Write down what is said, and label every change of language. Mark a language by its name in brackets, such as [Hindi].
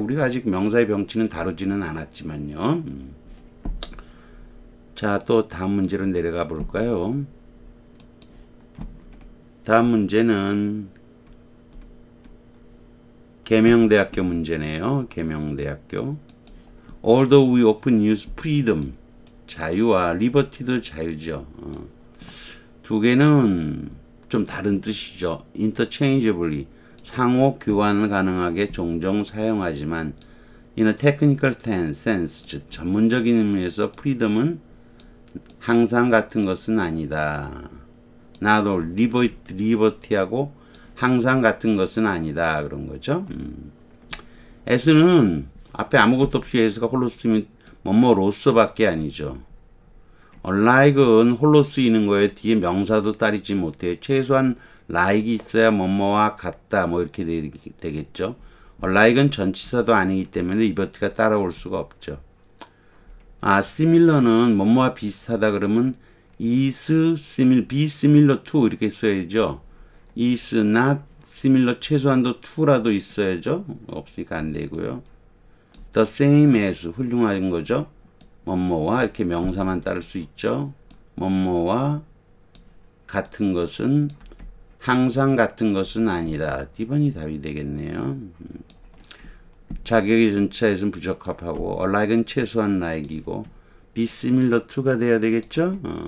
[Korean] 우리가 아직 명사의 병치는 다루지는 않았지만요. 자, 또 다음 문제로 내려가 볼까요? 다음 문제는 계명대학교 문제네요. 계명대학교. [English] Although we often use freedom, [Korean] 자유와 liberty도 자유죠. 두 개는 좀 다른 뜻이죠. [English] Interchangeably, [Korean] 상호 교환 가능하게 종종 사용하지만, [English] in a technical sense, [Korean] 즉 전문적인 의미에서 freedom은 항상 같은 것은 아니다. 나도 리버티하고 항상 같은 것은 아니다. 그런 거죠. S는 앞에 아무것도 없이 S가 홀로 쓰이면 뭐뭐로서밖에 아니죠. Like은 홀로 쓰이는 거에 뒤에 명사도 따르지 못해요. 최소한 like 있어야 뭐뭐와 같다. 뭐 이렇게 되겠죠. Like은 전치사도 아니기 때문에 리버티가 따라올 수가 없죠. 아, similar는 뭐뭐와 비슷하다 그러면 be similar to 이렇게 써야죠. is not similar, 최소한도 to라도 있어야죠. 없으니까 안 되고요. [English] The same as, [Korean] 훌륭한 거죠. 뭐뭐와, 이렇게 명사만 따를 수 있죠. 뭐뭐와 같은 것은, 항상 같은 것은 아니다. D번이 답이 되겠네요. 자격의 전치사에서는 부적합하고, alike은 최소한 like이고, be similar to가 돼야 되겠죠?